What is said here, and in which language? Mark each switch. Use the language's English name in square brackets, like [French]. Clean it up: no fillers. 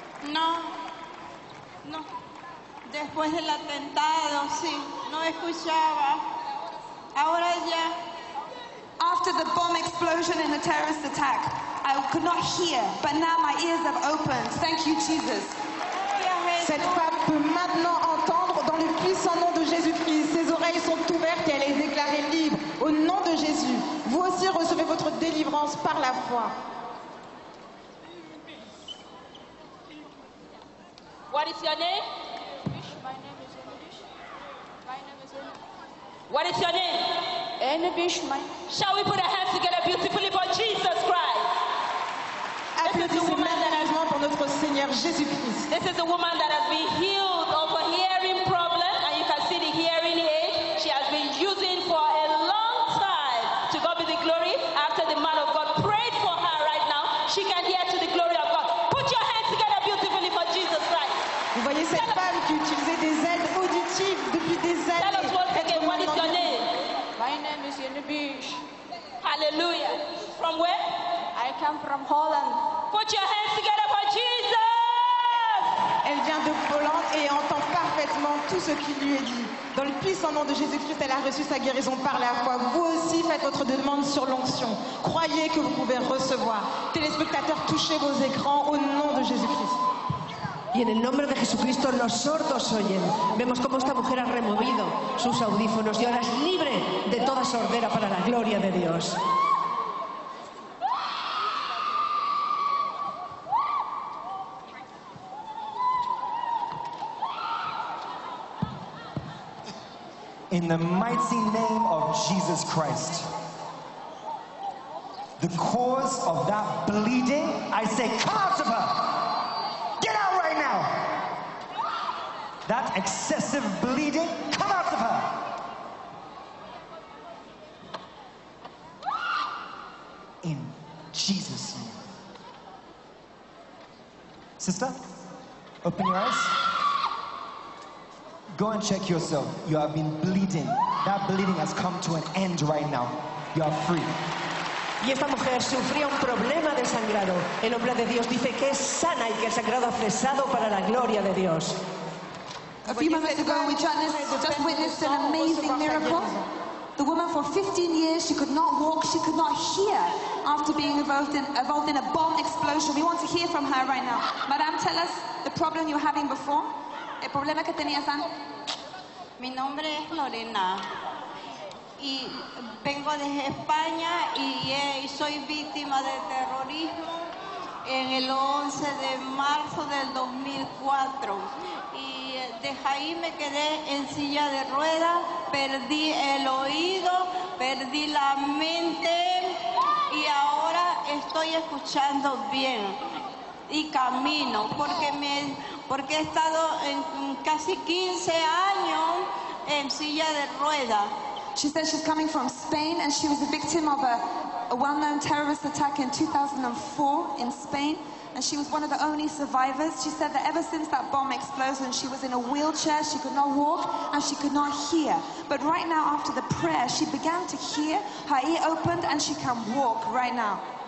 [Spanish] No. No. Después del atentado, sí. No escuchaba. Ahora ya. [English] After the bomb explosion and the terrorist attack, I could not hear, but now my ears have opened. Thank you, Jesus. [French] Cette femme peut maintenant entendre dans le puissant nom de Jésus-Christ. Ses oreilles sont ouvertes et elle est déclarée libre. Au nom de Jésus, vous aussi recevez votre délivrance par la foi. [English] What is your name? What is your name? Enebish, my. Shall we put our hands together beautifully for Jesus Christ? This is a woman that has been healed of a hearing problem, and you can see the hearing aid she has been using for a long time. To God be the glory. After the man of God prayed for her right now, she can hear to the glory of God. Put your hands together beautifully for Jesus Christ. [French] Vous voyez cette femme qui utilisait des aides auditives depuis des années. [English] Tell us once again, what is your name? My name is Yenibish. Hallelujah. From where? I come from Holland. Put your hands together for Jesus. [French] Elle vient de Holland et entend parfaitement tout ce qui lui est dit. Dans le puissant nom de Jésus-Christ, elle a reçu sa guérison par la foi. Vous aussi, faites votre demande sur l'onction. Croyez que vous pouvez recevoir. Téléspectateurs, touchez vos écrans au nom de Jésus-Christ. [Spanish] Y en el nombre de Jesucristo los sordos oyen. Vemos cómo esta mujer ha removido sus audífonos y ahora es libre de toda sordera para la gloria de Dios. [English] In the mighty name of Jesus Christ, the cause of that bleeding, I say, come out of her. That excessive bleeding, come out of her. In Jesus' name. Sister, open your eyes. Go and check yourself. You have been bleeding. That bleeding has come to an end right now. You are free. [Spanish] Y esta mujer sufría un problema de sangrado. El hombre de Dios dice que es sana y que el sangrado ha cesado para la gloria de Dios. [English] A few months ago, we just witnessed an amazing miracle. The woman for 15 years, she could not walk, she could not hear after being involved in a bomb explosion. We want to hear from her right now. Madame, tell us the problem you were having before. [Spanish] El problema que tenías antes. Mi nombre es Lorena. Y vengo de España y soy víctima de terrorismo en el 11 de marzo del 2004. Y desde ahí me quedé en silla de ruedas, perdí el oído, perdí la mente y ahora estoy escuchando bien y camino, porque he estado en casi 15 años en silla de ruedas. [English] She says she's coming from Spain and she was the victim of a well-known terrorist attack in 2004 in Spain. And she was one of the only survivors. She said that ever since that bomb exploded, she was in a wheelchair, she could not walk, and she could not hear. But right now, after the prayer, she began to hear, her ear opened, and she can walk right now.